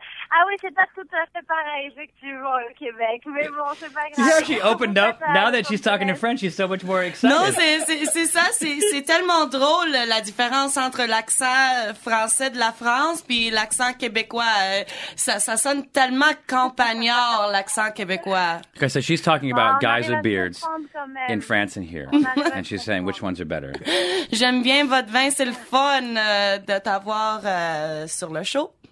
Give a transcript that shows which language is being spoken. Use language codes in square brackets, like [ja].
[fr] Ah oui, c'est pas tout à fait pareil, effectivement, au Québec. Mais bon, c'est pas grave. [en] Yeah, she opened up. Now that she's talking in French, she's so much more excited. [fr] Non, c'est ça. C'est tellement drôle, la différence entre l'accent français de la France puis l'accent québécois. Ça sonne tellement campagnard, l'accent québécois. [en] Okay, so she's talking about guys with beards in France and here. And she's saying, which ones are better? [fr] J'aime bien votre vin. C'est le fun de t'avoir sur le show.